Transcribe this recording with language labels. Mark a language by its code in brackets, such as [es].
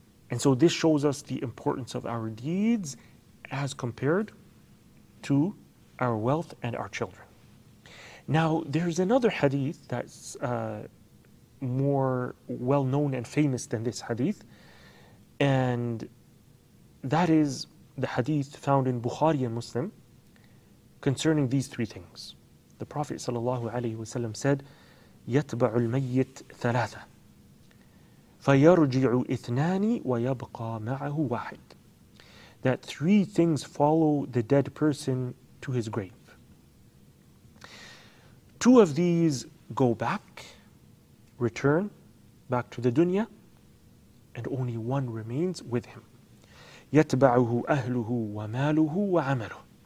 [en] And so this shows us the importance of our deeds as compared to our wealth and our children. Now, there's another hadith that's more well-known and famous than this hadith, and that is the hadith found in Bukhari and Muslim concerning these three things. The Prophet ﷺ said, [ar] يَتْبَعُ الْمَيِّتِ ثَلَاثَ فَيَرْجِعُ إِثْنَانِ وَيَبْقَى مَعَهُ وَاحِدٌ. [en] That three things follow the dead person to his grave. Two of these go back, return back to the dunya, and only one remains with him. [ar] يَتْبَعُهُ أَهْلُهُ وَمَالُهُ وَعَمَلُهُ.